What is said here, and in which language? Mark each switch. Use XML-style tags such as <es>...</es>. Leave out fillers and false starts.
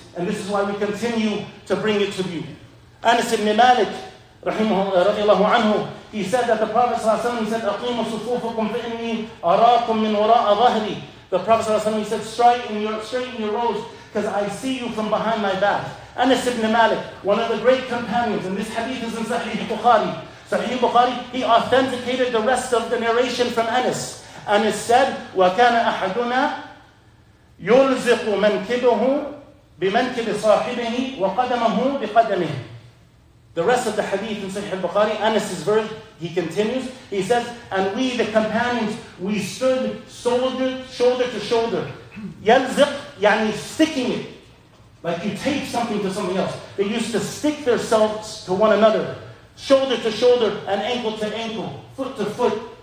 <en>And this is why we continue to bring it to you. Anas ibn Malik, radiallahu anhu, he said that the Prophet ﷺ said,</en> <ar>أَقِيمُ صُفُوفُكُمْ فَإِنِّي أَرَاكُمْ مِنْ وَرَاءَ ظَهْرِي</ar> <en>The Prophet ﷺ said, straighten your rows. because I see you from behind my back. Anas ibn Malik, one of the great companions, and this hadith is in Sahih Bukhari. Sahih Bukhari, he authenticated the rest of the narration from Anas. Anas said,</en> <ar>وَكَانَ أَحَدُنَا يُرْزِقُ مَنْكِبُهُ بِمَنْكِبِ صَاحِبِهِ وَقَدَمَهُ بِقَدَمِهِ.</ar> <en>The rest of the hadith in Sahih al-Bukhari, Anas's verse, he continues, he says, and we, the companions, we stood shoulder to shoulder.</en> <ar>يَلْزِقْ يعني</ar> <en>sticking it. Like you take something to something else. They used to stick themselves to one another, shoulder to shoulder and ankle to ankle, foot to foot.</en>